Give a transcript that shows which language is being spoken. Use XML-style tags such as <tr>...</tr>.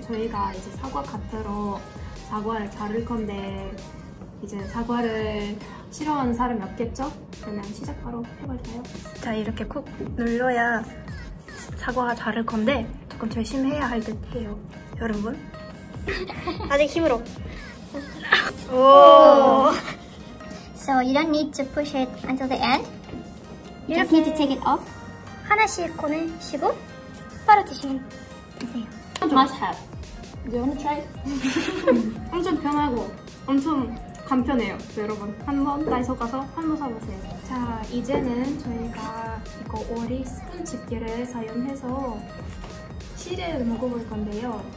<ko>저희가 이제 사과 카트로 사과를 자를 건데 이제 사과를 싫어하는 사람이 없겠죠? 그러면 시작 바로 해볼까요? 자, 이렇게 콕 눌러야 사과가 자를 건데 조금 조심해야 할 듯 해요, 여러분. 아직 힘으로. 오.</ko> <en>So you don't need to push it until the end. You just need to take it off.</en> <ko>하나씩 꺼내시고 바로 드시면 되세요.</ko> <en>Must have. You wanna try?</en> <ko>엄청 편하고 엄청 간편해요, 여러분. 한번 다이소 가서 한번 사보세요. 자, 이제는 저희가 이거 오리 스푼 집게를 사용해서 시리얼 먹어볼 건데요.</ko>